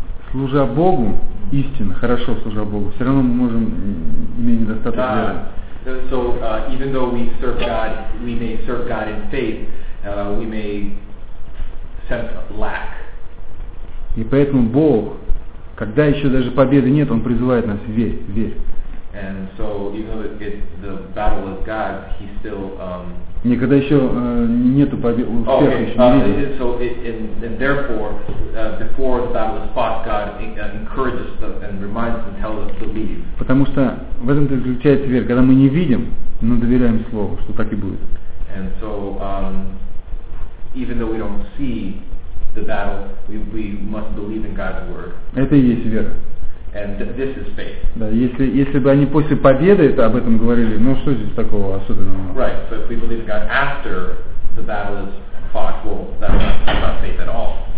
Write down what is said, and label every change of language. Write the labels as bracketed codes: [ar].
[ru] служа Богу, истинно, хорошо служа Богу, все равно мы можем иметь недостаток веры. [en] So even though we serve God, we may serve God in faith, we may sense lack. [ru] И поэтому Бог, когда еще даже победы нет, Он призывает нас верь, верь. [en] And so even though the battle is God, He still [ru] никогда еще нету победы, успеха [en] okay. [ru] еще не видит. [en] So and therefore, before the battle is fought, God encourages us and reminds and tells us to believe. [ru] Потому что в этом заключается вера, когда мы не видим, но доверяем Слову, что так и будет. [en] And so even though we don't see the battle, we must believe in God's word. [ru] Это и есть вера. [en] And this is faith. [ru] Да, если бы они после победы это об этом говорили, ну что здесь такого особенного? [en] Right, so if we believe in God after the battle is fought, well, that's not faith at all.